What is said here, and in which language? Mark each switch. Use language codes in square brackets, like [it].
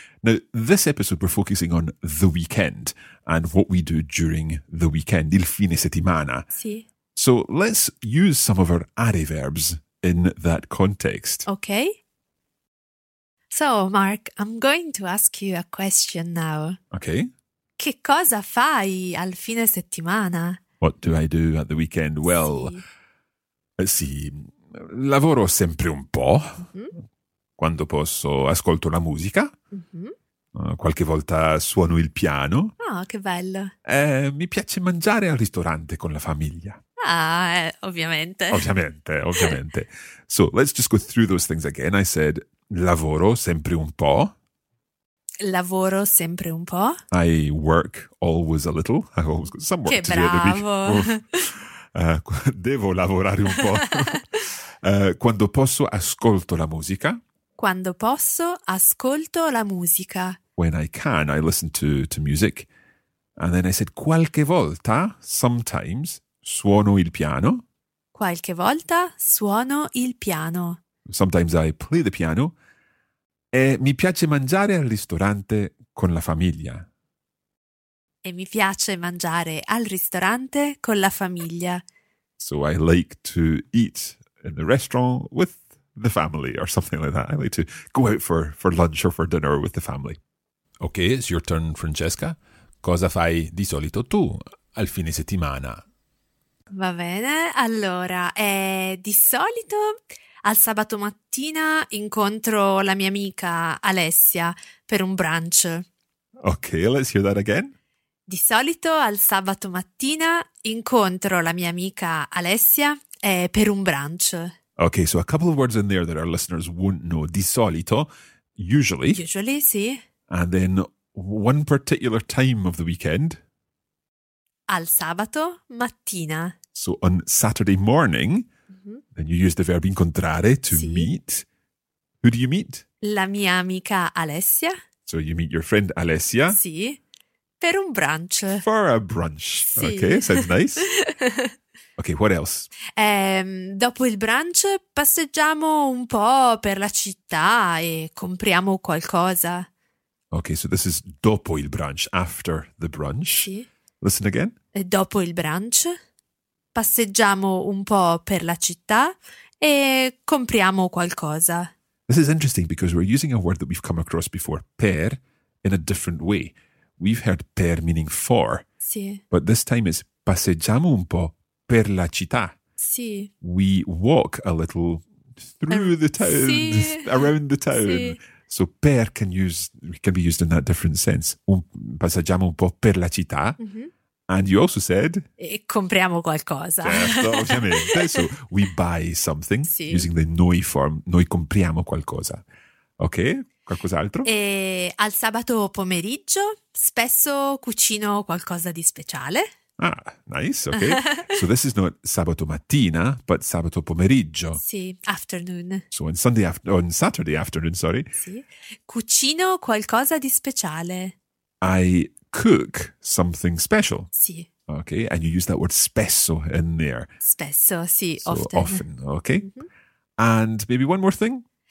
[en] Now, this episode, we're focusing on the weekend and what we do during the weekend, [it] il fine settimana. Sì. [en] So let's use some of our are verbs in that context. Okay. So, Mark, I'm going to ask you a question now. Okay. [it] Che cosa fai al fine settimana? [en] What do I do at the weekend? [it] Well, sì, lavoro sempre un po'. Mm-hmm. quando posso ascolto la musica, qualche volta suono il piano. Ah, oh, che bello. Mi piace mangiare al ristorante con la famiglia. Ah, ovviamente. Ovviamente. [en] So, let's just go through those things again. I said, [it] lavoro sempre un po'. Lavoro sempre un po'. [en] I work always a little. I always got some work to do every week. [it] Che bravo. Devo lavorare un po'. quando posso, ascolto la musica. Quando posso, ascolto la musica. [en] When I can, I listen to music. And then I said, [it] qualche volta, [en] sometimes, [it] suono il piano. Qualche volta suono il piano. [en] Sometimes I play the piano. [it] E mi piace mangiare al ristorante con la famiglia. E mi piace mangiare al ristorante con la famiglia. [en] So I like to eat in the restaurant with the family or something like that. I like to go out for lunch or for dinner with the family. Okay, it's your turn, Francesca. [it] Cosa fai di solito tu al fine settimana? Va bene, allora, di solito al sabato mattina incontro la mia amica Alessia per un brunch. [en] Okay, let's hear that again. [it] Di solito al sabato mattina incontro la mia amica Alessia per un brunch. Okay, so a couple of words in there that our listeners won't know. Di solito, usually. [en] Usually, sì. And then one particular time of the weekend. [it] Al sabato mattina. [en] So on Saturday morning, then you use the verb incontrare to meet. Who do you meet? [it] La mia amica Alessia. [en] So you meet your friend Alessia. [it] Sì, per un brunch. [en] For a brunch. [it] Sì. [en] Okay, sounds nice. Okay, what else? [it] Dopo il brunch passeggiamo un po' per la città e compriamo qualcosa. [en] Okay, so this is [it] dopo il brunch, [en] after the brunch. [it] Sì. [en] Listen again. [it] Dopo il brunch passeggiamo un po' per la città e compriamo qualcosa. [en] This is interesting because we're using a word that we've come across before, per, in a different way. We've heard per meaning for. [it] Sì. [en] But this time it's [it] passeggiamo un po' per la città. Sì. [en] We walk a little through the town, [it] sì. [en] Around the town. [it] Sì. [en] So per can be used in that different sense. [it] Passeggiamo un po' per la città. Mm-hmm. [en] And you also said? [it] E compriamo qualcosa. Certo, ovviamente. [en] So we buy something using the noi form. [it] Noi compriamo qualcosa. Ok, qualcos'altro? E al sabato pomeriggio spesso cucino qualcosa di speciale. [en] Ah, nice, ok. So this is not [it] sabato mattina, [en] but [it] sabato pomeriggio. [en] Sì, afternoon. So on Saturday afternoon. [it] Cucino qualcosa di speciale. [en] I cook something special. [it] Sì. [en] Ok, and you use that word spesso in there. [it] Spesso, sì, [en] so often. So often, ok. Mm-hmm. And maybe one more thing?